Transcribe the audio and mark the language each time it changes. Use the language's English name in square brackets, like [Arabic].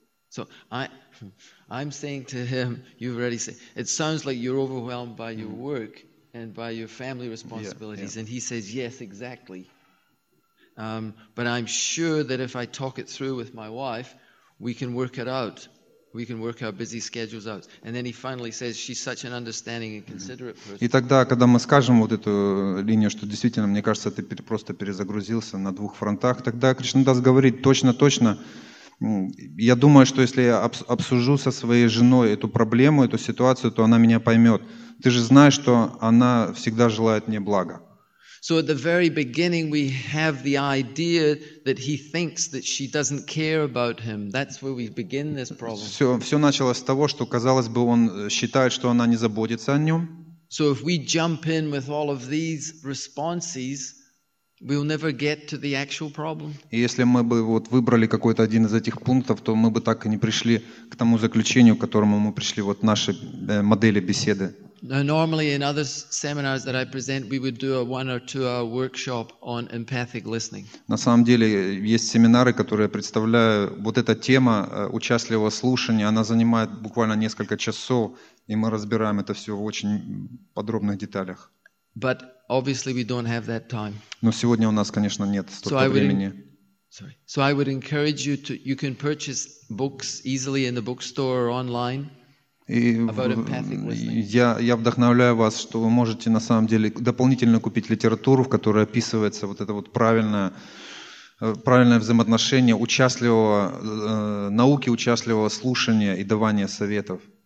[English] So I'm saying to him, you've already said, it sounds like you're overwhelmed by your work and by your family responsibilities. Yeah, yeah. And he says, yes, exactly. But I'm sure that if I talk it through with my wife, we can work it out. We can work our busy schedules out. And then he finally says, "She's such an understanding and considerate person." [Russian] И тогда, когда мы скажем вот эту линию, что действительно, мне кажется, ты просто перезагрузился на двух фронтах, тогда Кришнадас говорит, точно, точно. Я думаю, что если я обсужу со своей женой эту проблему, эту ситуацию, то она меня поймет. Ты же знаешь, что она всегда желает мне блага. [English] So at the very beginning we have the idea that he thinks that she doesn't care about him. That's where we begin this problem. [Russian] Все началось с того, что казалось бы он считает, что она не заботится о нем. [English] So if we jump in with all of these responses, we'll never get to the actual problem. [Russian] И если мы бы вот выбрали какой-то один из этих пунктов, то мы бы так и не пришли к тому заключению, к которому мы пришли вот наши модели беседы. [English] Normally in other seminars that I present, we would do a 1 or 2 hour workshop on empathic listening. [Russian] На самом деле есть семинары, которые представляю, вот эта тема участливого слушания, она занимает буквально несколько часов, и мы разбираем это все в очень подробных деталях. [English] But obviously we don't have that time. [Russian] Но сегодня у нас, конечно, нет столько времени. [English] So I would encourage you to, you can purchase books easily in the bookstore or online. [Russian] И я вдохновляю вас, что вы можете на самом деле дополнительно купить литературу, в которой описывается вот это вот правильное взаимоотношение участливого науки, участливого слушания и давания советов.